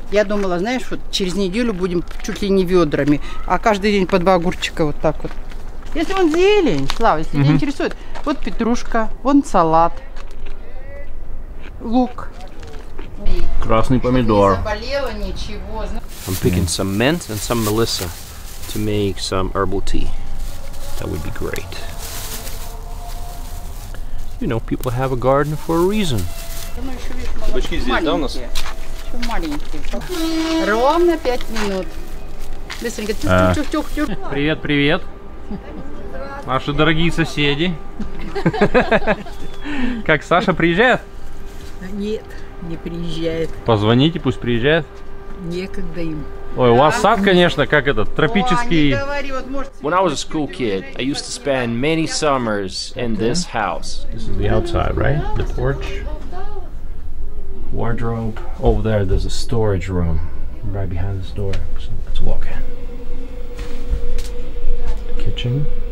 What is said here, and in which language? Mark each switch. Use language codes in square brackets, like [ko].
[ru] Я думала, знаешь, вот через неделю будем чуть ли не ведрами, а каждый день по два огурчика вот так вот. Если вон зелень, Слава, если тебя интересует, вот петрушка, вон салат, лук. Красный помидор. Чтобы не заболело ничего. [en] I'm picking some mint and some melissa to make some herbal tea. That would be great. You know, people have a garden for a reason. [ru] Кабачки здесь, да, у нас? Еще маленькие. Ровно 5 минут. Быстренько. Привет. наши дорогие соседи. Как, Саша приезжает? Нет, не приезжает. Позвоните, пусть приезжает. Некогда им. Ой, у вас сад, конечно, как этот, тропический. [en] When I was a school kid, I used to spend many summers in this house. This is the outside, right? The porch. Wardrobe. Over there, there's a storage room. Right behind this door. So let's walk in. Kitchen.